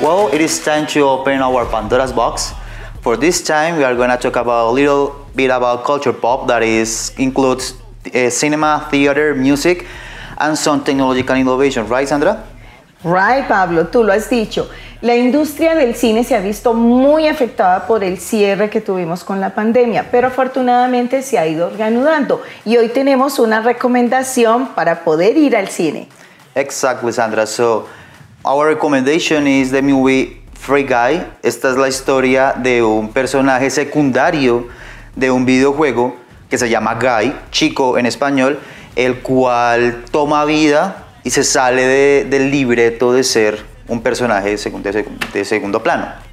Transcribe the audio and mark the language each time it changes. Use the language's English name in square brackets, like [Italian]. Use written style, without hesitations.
[English] Well, it is time to open our Pandora's box. For this time, we are going to talk about a little bit about culture pop, that is includes cinema, theater, music, and some technological innovation. Right, Sandra? Right, [Spanish] Pablo, tú lo has dicho. La industria del cine se ha visto muy afectada por el cierre que tuvimos con la pandemia, pero afortunadamente se ha ido reanudando y hoy tenemos una recomendación para poder ir al cine. [English] Exactly, Sandra. So, our recommendation is the movie Free Guy. [Spanish] Esta es la historia de un personaje secundario de un videojuego que se llama Guy, chico en español, el cual toma vida y se sale del libreto de ser un personaje de segundo plano.